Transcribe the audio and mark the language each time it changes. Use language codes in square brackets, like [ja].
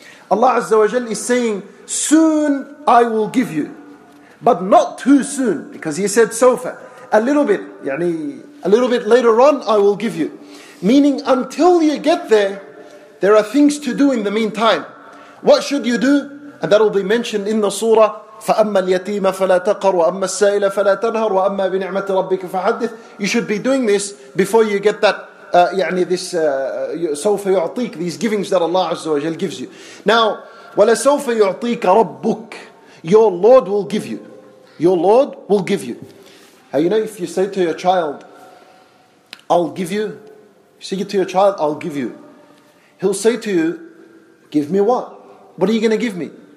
[en] Allah Azza wa Jal is saying, soon I will give you, but not too soon, because He said sofa, a little bit, يعني, a little bit later on I will give you. Meaning until you get there, there are things to do in the meantime. What should you do? And that will be mentioned in the surah, [ar] فَأَمَّا الْيَتِيمَ فَلَا تَقَرْ وَأَمَّا السَّائِلَ فَلَا تَنْهَرْ وَأَمَّا بِنِعْمَةِ رَبِّكَ فَحَدِّثْ. [en] You should be doing this before you get that [ar] سوف يعطيك, [en] these givings that Allah Azza wa Jal gives you. Now, [ar] ولسوف يعطيك ربك, [en] your Lord will give you. Your Lord will give you. You know, if you say to your child, I'll give you, say to your child, I'll give you, he'll say to you, give me what? What are you going to give me?